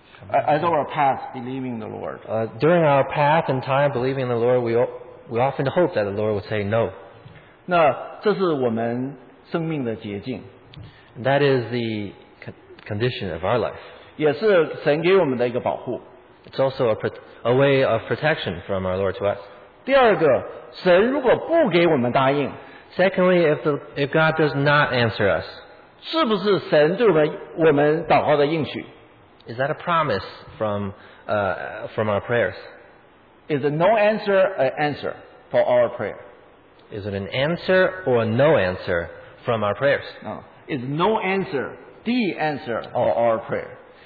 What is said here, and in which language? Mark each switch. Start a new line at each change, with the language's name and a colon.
English: as our path believing the Lord. During our path and time believing the Lord, we often hope that the Lord would say no.
Chinese: 那这是我们生命的捷径。
English: That is the condition of our life.
Chinese: 也是神给我们的一个保护。
English: It's also a way of protection from our Lord to us.
Chinese: 第二个, 神如果不给我们答应,
English: secondly, if God does not answer us,
Chinese: 是不是神对我们祷告的应许?
English: Is that a promise from our prayers? Is it no answer an answer for our prayer? Is it an answer or a no answer from our prayers? No. Is no answer the answer for our prayer?